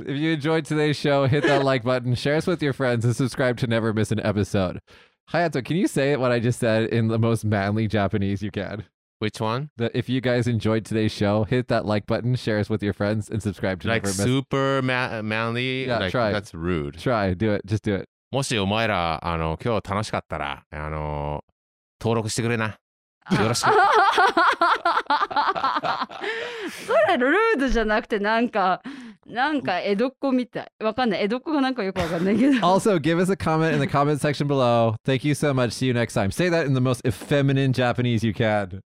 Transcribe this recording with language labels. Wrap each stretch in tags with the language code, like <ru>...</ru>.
<en>If you enjoyed today's show, hit that like button, share us with your friends, and subscribe to never miss an episode. Hayato, can you say what I just said in the most manly Japanese you can? Which one? If you guys enjoyed today's show, hit that like button, share us with your friends, and subscribe to Never Miss. Super manly? Yeah, like, try. That's rude. Try. Do it. Just do it.</en> <ja>もしお前ら、あの、今日楽しかったら、あの、登録してくれな。よろしく。それルードじゃなくてなんか江戸っ子みたい。わかんない。江戸っ子がなんかよくわかんないけど。</ja> <en>Also, give us a comment in the comment section below. Thank you so much. See you next time. Say that in the most effeminate Japanese you can.</en>